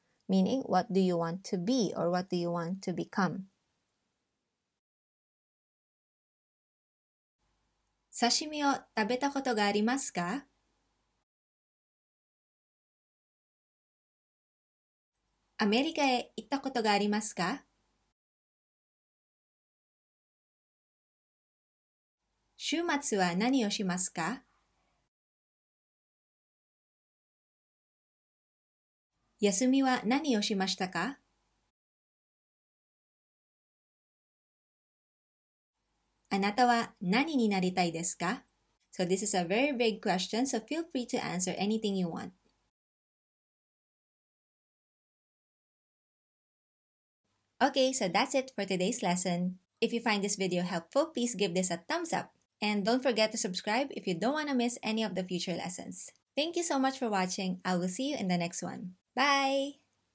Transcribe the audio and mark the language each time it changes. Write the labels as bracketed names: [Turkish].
[English] Meaning, what do you want to be or what do you want to become? [Japanese] 刺身を食べたことがありますか? アメリカへ行ったことがありますか? 週末は何をしますか? 休みは何をしましたか? あなたは何になりたいですか? [English] So this is a very big question, so feel free to answer anything you want. Okay, so that's it for today's lesson. If you find this video helpful, please give this a thumbs up. And don't forget to subscribe if you don't want to miss any of the future lessons. Thank you so much for watching. I will see you in the next one. Bye!